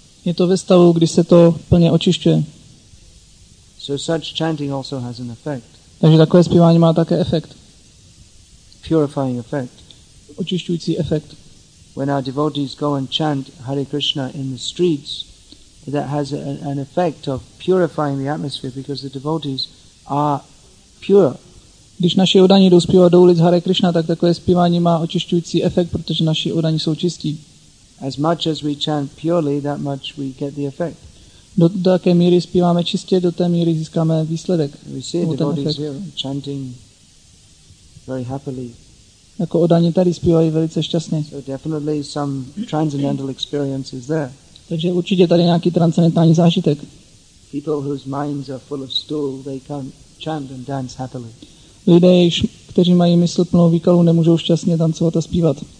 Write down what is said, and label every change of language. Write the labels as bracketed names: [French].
[Czech] Je to ve stavu, kdy se to plně očišťuje. [English] So such chanting also has an effect. [Czech] Takže takové zpívání má také efekt. [English] Purifying effect. [Czech] Očišťující efekt. [English] when our devotees go and chant Hare Krishna in the streets, that has an effect of purifying the atmosphere because the devotees are pure. [Czech] Když naši oddaní jdou zpívat do ulic Hare Krishna, tak takové zpívání má očišťující efekt, protože naši oddaní jsou čistí. [English] As much as we chant purely, that much we get the effect. [Czech] Do také míry zpíváme čistě, do té míry získáme výsledek. [English] We see the devotees here chanting very happily. [Czech] Jako oddaní tady zpívají velice šťastně. [English] So definitely some transcendental experience is there. [Czech] Takže určitě tady nějaký transcendentální zážitek. [English] People whose minds are full of stool, they can't chant and dance happily. [Czech] Lidé, kteří mají mysl plnou výkalů, nemůžou šťastně tancovat a zpívat.